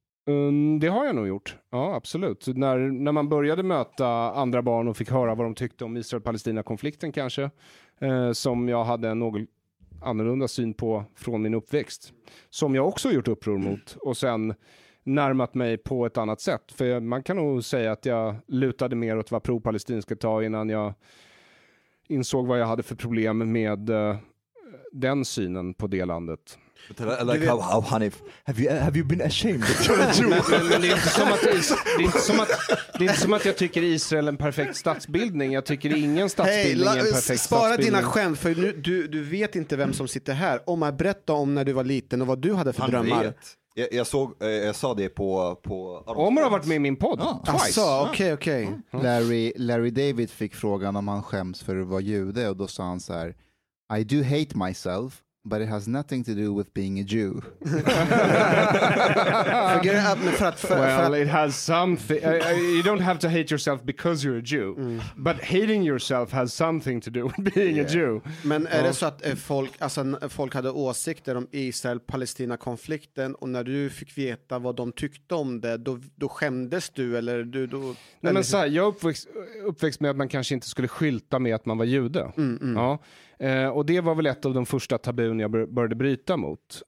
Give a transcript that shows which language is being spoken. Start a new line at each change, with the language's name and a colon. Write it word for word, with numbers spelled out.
Swedish: Um, det har jag nog gjort, ja, absolut. När, när man började möta andra barn och fick höra vad de tyckte om Israel-Palestina-konflikten kanske, uh, som jag hade en någon annorlunda syn på från min uppväxt, som jag också gjort uppror mot, och sen närmat mig på ett annat sätt. För man kan nog säga att jag lutade mer åt vad pro-palestin ska ta innan jag insåg vad jag hade för problem med uh, den synen på det landet.
English: But I like vet... how, how Hanif, have you, have you been ashamed?
Swedish: men, men det, är inte som att, det, är inte som att, det är inte som att jag tycker Israel är en perfekt statsbildning. Jag tycker ingen statsbildning hey, la, är en perfekt spara statsbildning. Dina skämt, för nu, du, du vet inte vem som sitter här. Omar, berätta om när du var liten och vad du hade för Han drömmar. Vet. Jag, jag, såg, jag sa det på... på Omar har varit med i min podd. Ah, twice. Alltså, okay, okay. Larry, Larry David fick frågan om han skäms för att vara jude, och då sa han så här:
English: I do hate myself, but it has nothing to do with being a Jew.
Swedish: för att, för,
English: well, för it has something. You don't have to hate yourself because you're a Jew. Mm. But hating yourself has something to do with being yeah. a Jew.
Swedish: Men är det så att folk, alltså, folk hade åsikter om Israel-Palestina-konflikten, och när du fick veta vad de tyckte om det, då, då skämdes du? Eller du då, Nej, men, men så här, jag uppväxt, uppväxt med att man kanske inte skulle skylta med att man var jude. Mm, mm. Ja. Eh, och det var väl ett av de första tabun jag började bryta mot.